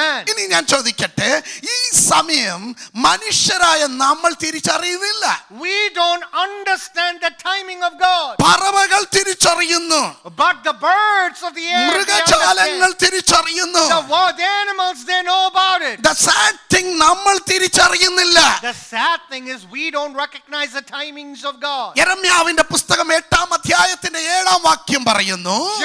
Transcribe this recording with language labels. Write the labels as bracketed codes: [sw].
[ml] ഇനി ഞാൻ ചോദിക്കട്ടെ, ഈ സമയം മനുഷ്യരായ നമ്മൾ തിരിച്ചറിയുന്നില്ല. [en] We don't understand the timing of God. [ml] പറവകൾ തിരിച്ചറിയുന്നു. [en] But the birds of the air, [ml] മൃഗജാലങ്ങൾ തിരിച്ചറിയുന്നു. [en] The animals, they know about it. The sad thing, [ml] നമ്മൾ തിരിച്ചറിയുന്നില്ല. [en] The sad thing is we don't recognize the timings of God. [ml] യെരമ്യാവിന്റെ പുസ്തകം 8-ാം അധ്യായത്തിന്റെ 7-ാം വാക്യം പറയുന്നു.